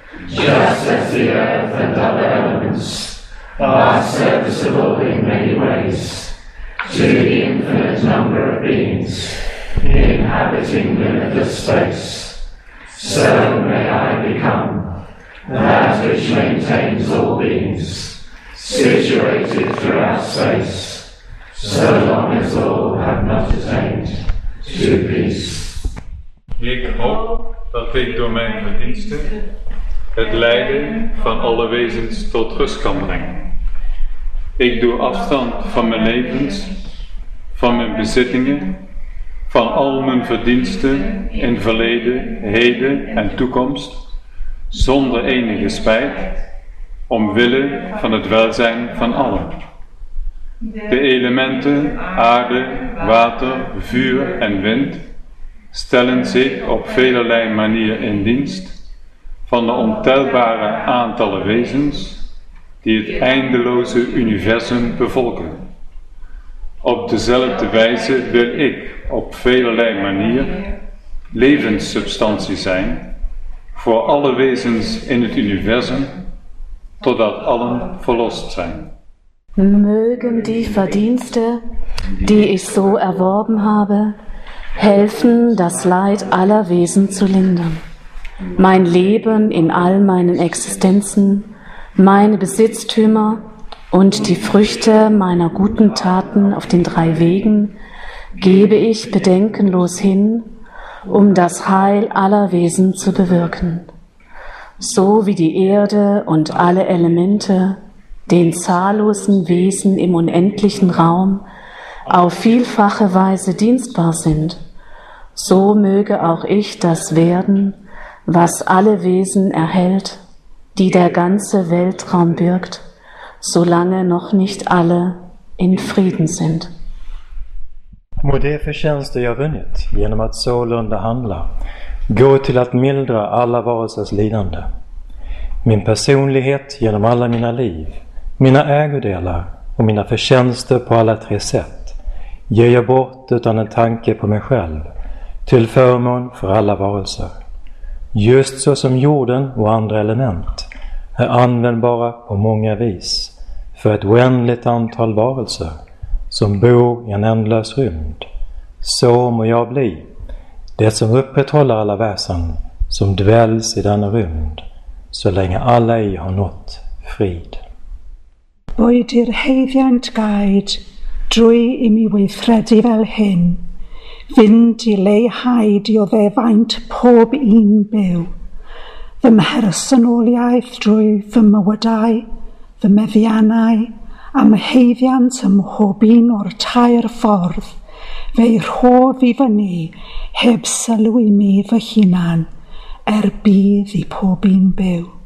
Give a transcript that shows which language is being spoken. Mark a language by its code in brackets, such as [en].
[en] Just as the earth and other elements are serviceable in many ways to the infinite number of beings inhabiting limitless space, so may I become that which maintains all beings situated throughout space, so long as all have not attained to peace. [nl] Ik hoop dat ik door mijn verdiensten het lijden van alle wezens tot rust kan brengen. Ik doe afstand van mijn levens, van mijn bezittingen, van al mijn verdiensten in verleden, heden en toekomst, zonder enige spijt, omwille van het welzijn van allen. De elementen, aarde, water, vuur en wind, stellen zich op velerlei manieren in dienst van de ontelbare aantallen wezens die het eindeloze universum bevolken. Op dezelfde wijze wil ik op velerlei manier levenssubstantie zijn voor alle wezens in het universum, totdat allen verlost zijn. [de] Mögen die Verdienste, die ich so erworben habe, helfen, das Leid aller Wesen zu lindern. Mein Leben in all meinen Existenzen, meine Besitztümer und die Früchte meiner guten Taten auf den drei Wegen gebe ich bedenkenlos hin, um das Heil aller Wesen zu bewirken. So wie die Erde und alle Elemente den zahllosen Wesen im unendlichen Raum auf vielfache Weise dienstbar sind, so möge auch ich das werden, was alle Wesen erhält, die der ganze Weltraum birgt, solange noch nicht alle in Frieden sind. [sv] Må det förtjänste jag vunnit genom att sålunda handla gå till att mildra alla varelsers lidande. Min personlighet genom alla mina liv, mina ägodelar och mina förtjänster på alla tre sätt ger jag bort utan en tanke på mig själv till förmån för alla varelser. Just så som jorden och andra element är användbara på många vis för ett oändligt antal varelser som bor i en ändlös rymd, så må jag bli det som upprätthåller alla väsen som dväljs i denna rymd, så länge alla ej har nått frid. [cy] Bwyd i'r heiddiant gaid drwy i mi weithredu fel hyn, fynd i leihau dioddefaint pob un byw, fy mhersonoliaeth drwy fy mywydau, fy meddiannau, am heiddiant ym mhob un o'r tair ffordd, fe'i rhof i fyny heb sylw i mi fy hunan, er bydd i pob un byw.